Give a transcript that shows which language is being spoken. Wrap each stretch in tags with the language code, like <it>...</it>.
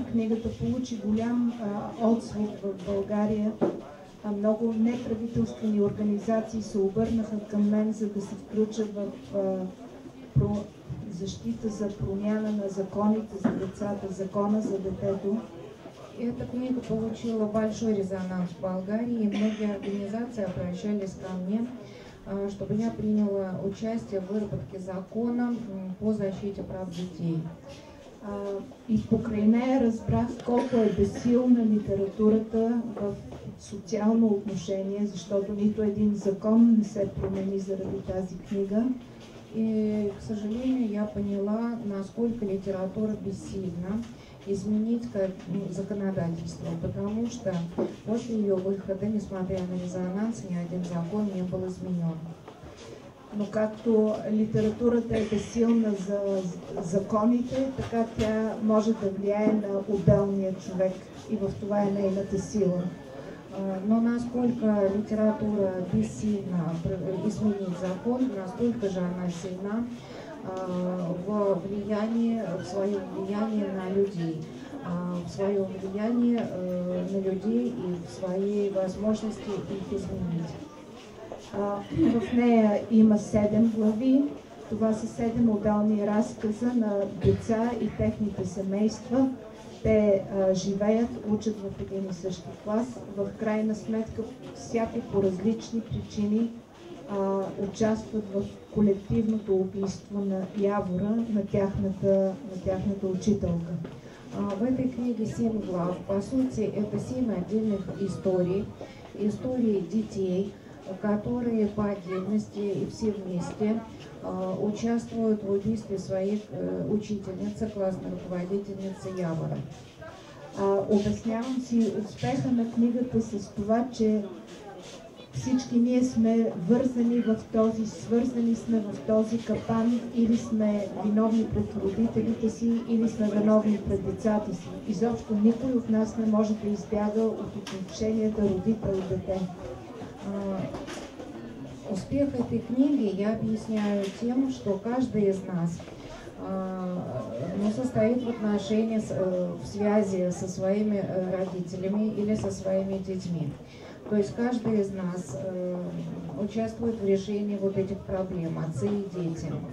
<bg>Книгата получи голям отзвук в България. Много неправителствени организации се обърнаха към мен, за да се включат в защита за промяна на законите за децата, закона за детето.</bg> <ru>Эта книга получила большой резонанс в Болгарии, и многие организации обращались ко мне, чтобы я приняла участие в выработке закона по защите прав детей.</ru> <bg>И покрай нея разбрах колко е безсилна литературата в социално отношение, защото нито един закон не се промени заради тази книга.</bg> <ru>И, к сожалению, я поняла, насколько литература бессильна изменить законодательство, потому что после ее выхода, несмотря на резонанс, ни один закон не был изменен.</ru> <bg>но както литературата е силна за законите, така тя може да влияе на отделния човек и в това е нейната сила.</bg> <ru>Но насколько литература бессильна изменить закон, настолько же она сильна в своем влиянии на людей, в своем влиянии на людей и в своей возможности их изменить.</ru> <bg>В ней има 7 главы. Това са 7 отделни разказа на деца и техните семейства. Те живеят, учат в един и същи клас. В крайна сметка, всяко по различни причини участват в колективното убийство на Явора, на тяхната учителка.</bg> <ru>В этой книге 7 глав. По сути, это 7 отдельных историй. Истории детей, которые по отдельности и все вместе участвуют в убийстве своих учительниц, классной руководительницы Явора.</ru> <bg>Обяснявам си успеха на книгата с това, че всички ние сме свързани сме в този капан, или сме виновни пред родителите си, или сме виновни пред децата си. Изобщо никой от нас не може да избяга от отношенията родител-дете.</bg> <ru>Успех этой книги я объясняю тем, что каждый из нас состоит в отношении, в связи со своими родителями или со своими детьми. То есть каждый из нас участвует в решении вот этих проблем, отцы и дети.</ru>